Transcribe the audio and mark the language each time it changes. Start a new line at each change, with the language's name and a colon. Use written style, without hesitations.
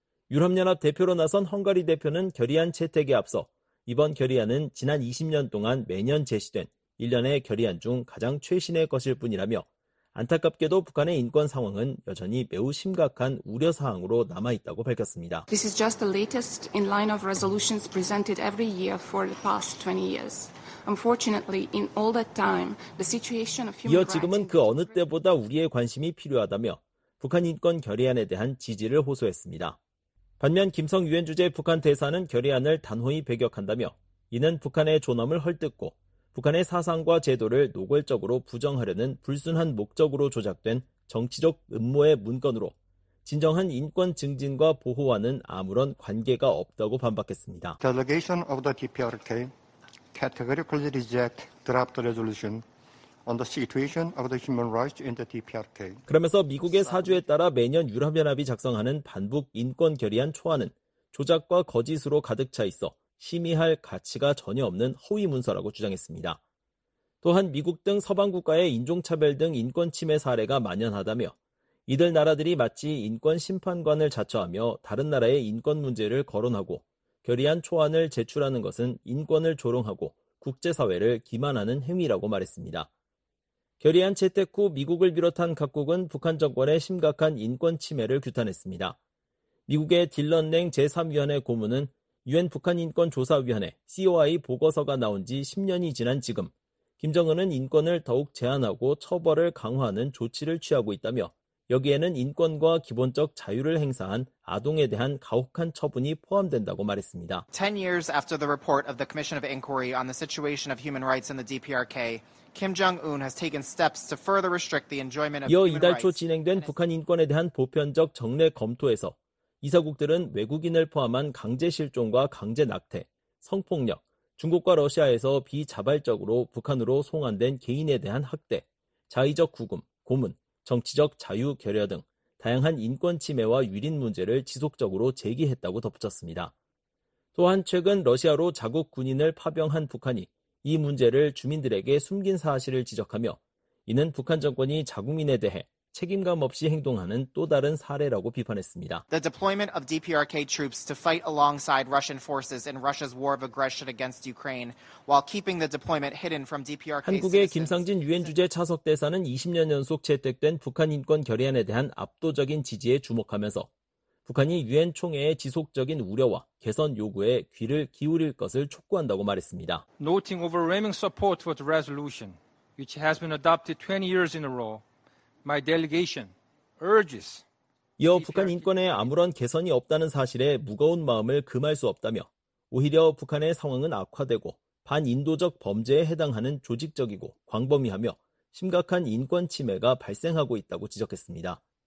Korean: 유럽연합 대표로 나선 헝가리 대표는 결의안 채택에 앞서 이번 결의안은 지난 20년 동안 매년 제시된 1년의 결의안 중 가장 최신의 것일 뿐이라며 안타깝게도 북한의 인권 상황은 여전히 매우 심각한 우려사항으로 남아있다고 밝혔습니다.
English: This is just the latest in line of resolutions presented every year for the past 20 years. Unfortunately, in all that time, the situation of human rights.
Korean: 이어 지금은 그 어느 때보다 우리의 관심이 필요하다며 북한 인권 결의안에 대한 지지를 호소했습니다. 반면 김성 유엔 주재 북한 대사는 결의안을 단호히 배격한다며 이는 북한의 존엄을 헐뜯고 북한의 사상과 제도를 노골적으로 부정하려는 불순한 목적으로 조작된 정치적 음모의 문건으로 진정한 인권 증진과 보호와는 아무런 관계가 없다고 반박했습니다.
English: Delegation of the DPRK categorically reject draft resolution on the situation of the human rights in the DPRK.
Korean: 그러면서 미국의 사주에 따라 매년 유럽연합이 작성하는 반북 인권 결의안 초안은 조작과 거짓으로 가득 차 있어 심의할 가치가 전혀 없는 허위 문서라고 주장했습니다. 또한 미국 등 서방 국가의 인종차별 등 인권 침해 사례가 만연하다며 이들 나라들이 마치 인권 심판관을 자처하며 다른 나라의 인권 문제를 거론하고 결의안 초안을 제출하는 것은 인권을 조롱하고 국제사회를 기만하는 행위라고 말했습니다. 결의안 채택 후 미국을 비롯한 각국은 북한 정권의 심각한 인권 침해를 규탄했습니다. 미국의 딜런 랭 제3위원회 고문은 유엔 북한인권조사위원회 COI 보고서가 나온 지 10년이 지난 지금 김정은은 인권을 더욱 제한하고 처벌을 강화하는 조치를 취하고 있다며 여기에는 인권과 기본적 자유를 행사한 아동에 대한 가혹한 처분이 포함된다고 말했습니다.
English: 10 years after the report of the Commission of Inquiry on the situation of human rights in the DPRK, Kim Jong-un has taken steps to further restrict the enjoyment of human rights.
Korean: 이어 이달 초 진행된 북한 인권에 대한 보편적 정례 검토에서 이사국들은 외국인을 포함한 강제 실종과 강제 낙태, 성폭력, 중국과 러시아에서 비자발적으로 북한으로 송환된 개인에 대한 학대, 자의적 구금, 고문, 정치적 자유 결여 등 다양한 인권 침해와 유린 문제를 지속적으로 제기했다고 덧붙였습니다. 또한 최근 러시아로 자국 군인을 파병한 북한이 이 문제를 주민들에게 숨긴 사실을 지적하며 이는 북한 정권이 자국민에 대해 책임감 없이 행동하는 또 다른 사례라고 비판했습니다.
English: The deployment of DPRK troops to fight alongside Russian forces in Russia's war of aggression against Ukraine while keeping the deployment hidden from DPRK.
Korean: 한국의 김상진 유엔 주재 차석 대사는 20년 연속 채택된 북한 인권 결의안에 대한 압도적인 지지에 주목하면서 북한이 유엔 총회의 지속적인 우려와 개선 요구에 귀를 기울일 것을 촉구한다고 말했습니다.
English: Noting overwhelming support for the resolution which has been adopted 20 years in a row. My delegation urges.
Korean: 이어 북한 인권에 아무런 개선이 없다는 사실에 무거운 마음을 금할 수 없다며 오히려 북한의 상황은 악화되고 반인도적 범죄에 해당하는 조직적이고 광범위하며 심각한 인권 침해가 발생하고 있다고 지적했습니다.